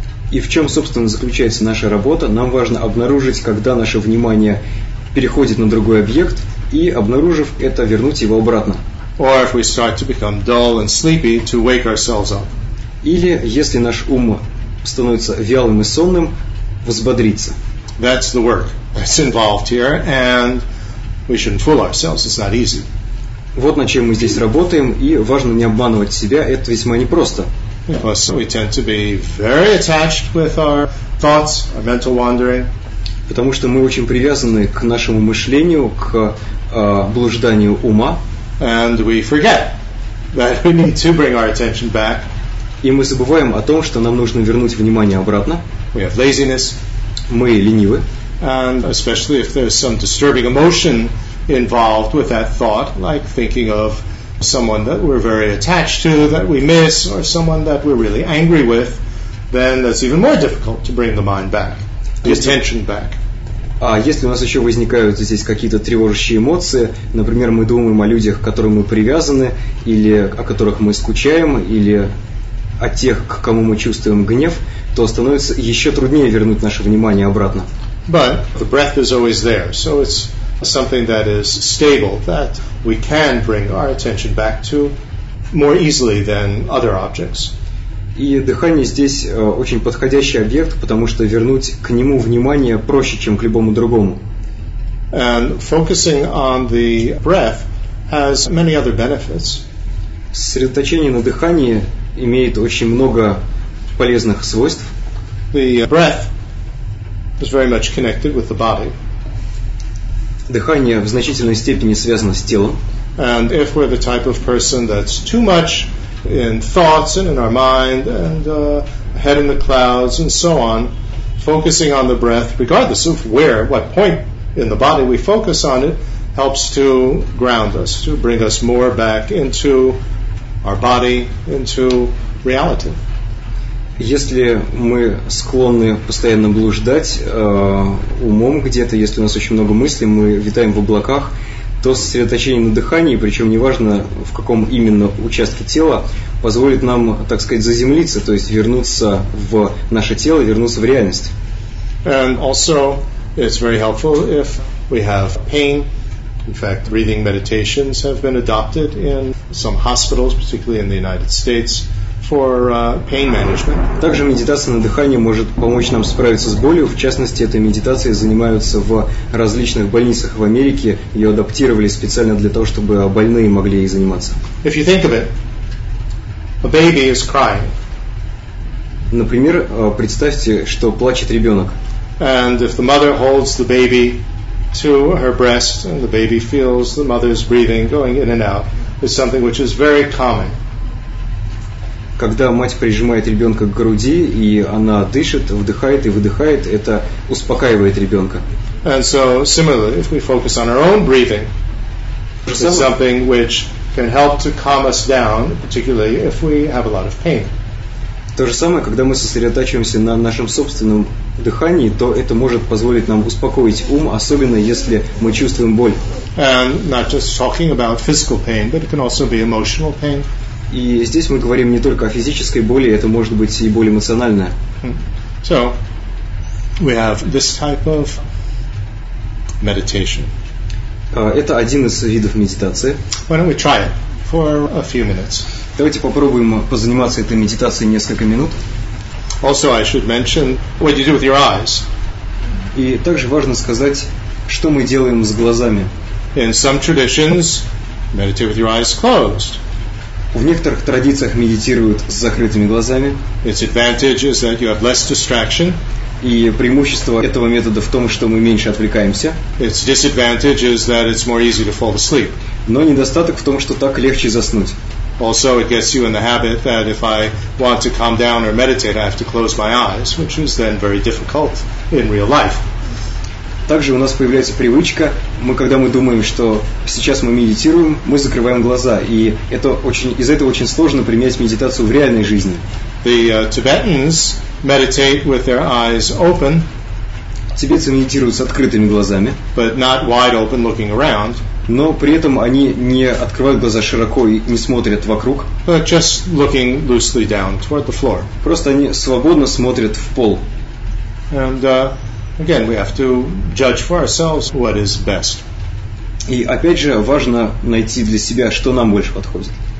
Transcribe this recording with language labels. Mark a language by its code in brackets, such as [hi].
[ru] И в чем, собственно, заключается наша работа? Нам важно обнаружить, когда наше внимание переходит на другой объект, и, обнаружив это, вернуть его обратно. [en] Or if we start to become dull and sleepy, to wake ourselves up. [ru] Или, если наш ум становится вялым и сонным, взбодриться. [en] That's the work that's involved here, and we shouldn't fool ourselves, it's not easy. [ru] Вот над чем мы здесь работаем, и важно не обманывать себя, это весьма непросто. [en] Because we tend to be very attached with our thoughts, our mental wandering. [ru] Потому что мы очень привязаны к нашему мышлению, к блужданию ума. [en] And we forget that we need to bring our attention back. [ru] И мы забываем о том, что нам нужно вернуть внимание обратно. [en] We have laziness. [ru] Мы ленивы. [en] And especially if there's some disturbing emotion involved with that thought, like thinking of someone that we're very attached to, that we miss, or someone that we're really angry with, then that's even more difficult to bring the mind back, the attention back. [ru] А если у нас еще возникают здесь какие-то тревожащие эмоции, например, мы думаем о людях, к которым мы привязаны, или о которых мы скучаем, или от тех, к кому мы чувствуем гнев, то становится еще труднее вернуть наше внимание обратно. [en] But the breath is always there, so it's something that is stable that we can bring our attention back to more easily than other objects. [ru] И дыхание здесь очень подходящий объект, потому что вернуть к нему внимание проще, чем к любому другому. [en] And focusing on the breath has many other benefits. [ru] Сосредоточение на дыхании имеет очень много полезных свойств. [en] The breath is very much connected with the body. [ru] Дыхание в значительной степени связано с телом. [en] And if we're the type of person that's too much in thoughts and in our mind and head in the clouds and so on, focusing on the breath, regardless of where, what point in the body we focus on it, helps to ground us, to bring us more back into our body, into reality. [ru] Если мы склонны постоянно блуждать умом где-то, если у нас очень много мыслей, мы витаем в облаках, то сосредоточение на дыхании, причем неважно в каком именно участке тела, позволит нам, так сказать, заземлиться, то есть вернуться в наше тело, вернуться в реальность. [en] And also, it's very helpful if we have pain. In fact, breathing meditations have been adopted in some hospitals, particularly in the United States, for pain management. [ru] Также медитация на дыхание может помочь нам справиться с болью. В частности, этой медитацией занимаются в различных больницах в Америке. Ее адаптировали специально для того, чтобы больные могли ей заниматься. [en] If you think of it, a baby is crying. [ru] Например, представьте, что плачет ребенок. [en] And if the mother holds the baby to her breast and the baby feels the mother's breathing going in and out, is something which is very common. [ru] Когда мать прижимает ребенка к груди, и она дышит, вдыхает и выдыхает, это успокаивает ребенка. [en] And so, similarly, if we focus on our own breathing, it's something which can help to calm us down, particularly if we have a lot of pain. [ru] То же самое, когда мы сосредотачиваемся на нашем собственном дыхании, то это может позволить нам успокоить ум, особенно если мы чувствуем боль. [en] And not just talking about physical pain, but it can also be emotional pain. [ru] И здесь мы говорим не только о физической боли, это может быть и боль эмоциональная. [en] So, we have this type of meditation. [ru] Это один из видов медитации. [en] Why don't we try it for a few minutes? [ru] Давайте попробуем позаниматься этой медитацией несколько минут. [en] Also, I should mention what you do with your eyes. [ru] И также важно сказать, что мы делаем с глазами. [en] In some traditions, meditate with your eyes closed. [ru] В некоторых традициях медитируют с закрытыми глазами. [en] Its advantage is that you have less distraction. [ru] И преимущество этого метода в том, что мы меньше отвлекаемся. [en] Its disadvantage is that it's more easy to fall asleep. [ru] Но недостаток в том, что так легче заснуть. [en] Also, it gets you in the habit that if I want to calm down or meditate, I have to close my eyes, which is then very difficult in real life. [ru] Также у нас появляется привычка, когда мы думаем, что сейчас мы медитируем, мы закрываем глаза, и из-за этого очень сложно применять медитацию в реальной жизни. [en] The Tibetans meditate with their eyes open. [ru] Тибетцы медитируют с открытыми глазами, [en] but not wide open looking around. [ru] Но при этом они не открывают глаза широко и не смотрят вокруг. [en] But just looking loosely down toward the floor. [ru] Просто они свободно смотрят в пол. [en] And, again, we have to judge for ourselves what is best. [ru] И опять же, важно найти для себя, что нам больше подходит.